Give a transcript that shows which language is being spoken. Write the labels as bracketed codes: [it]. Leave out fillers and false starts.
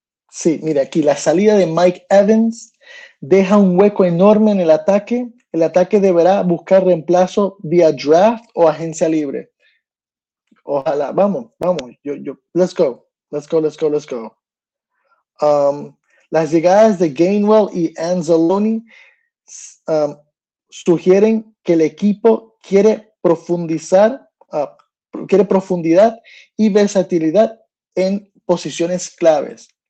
[es] Sí, mira, aquí la salida de Mike Evans deja un hueco enorme en el ataque. El ataque deberá buscar reemplazo vía draft o agencia libre. Ojalá, vamos, vamos. [en] Let's go, let's go, let's go, let's go. [es] Las llegadas de Gainwell y Anzalone sugieren que el equipo quiere profundizar. Quiere profundidad y versatilidad en posiciones claves.